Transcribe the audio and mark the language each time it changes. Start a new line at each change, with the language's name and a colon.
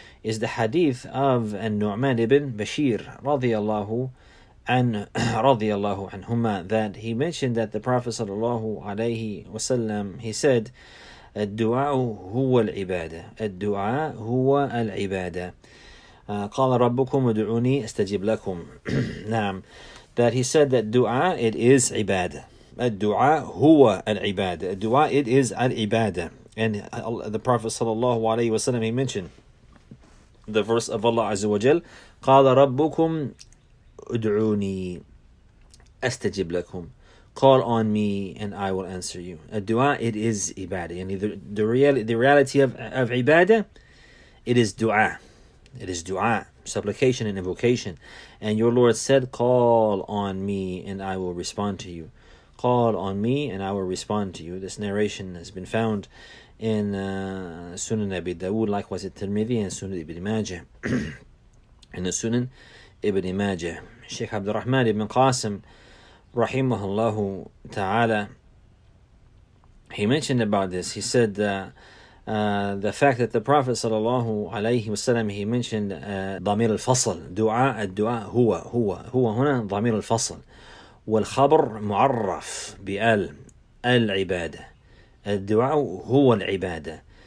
English: is the hadith of An-Nu'man ibn Bashir radiyallahu anhuma, that he mentioned that the Prophet sallallahu alayhi wasallam, he said,
Arabic: الدُّعَاءُ هُوَ الْعِبَادَةُ الدُّعَاءُ هُوَ الْعِبَادَةُ قَالَ رَبُّكُمْ ادْعُونِي أَسْتَجِبْ لَكُمْ.
English: نعم, that he said that dua, it is ibadah.
Arabic: الدُّعَاءُ هُوَ الْعِبَادَةُ الدُّعَاءُ,
English: it is al-ibadah. And the Prophet sallallahu alayhi wasallam, he mentioned the verse of Allah azza wa jal,
Arabic: قَالَ رَبُّكُمْ ادْعُونِي أَسْتَجِبْ لَكُمْ.
English: Call on me and I will answer you. A dua, it is ibadah. And the reality of ibadah, it is dua. It is dua, supplication and invocation. And your Lord said, call on me and I will respond to you. Call on me and I will respond to you. This narration has been found in Sunan Abi Dawood, likewise at Tirmidhi and Sunan Ibn Majah. In the Sunan Ibn Majah, Sheikh Abdul Rahman Ibn Qasim
Arabic: رحمه الله تعالى,
English: he mentioned about this. He said the fact that the Prophet صلى الله عليه وسلم, he mentioned
Arabic: ضمير الفصل, دعاء الدعاء هو هو هو هنا ضمير الفصل, والخبر معرف بال العبادة, الدعاء هو العبادة.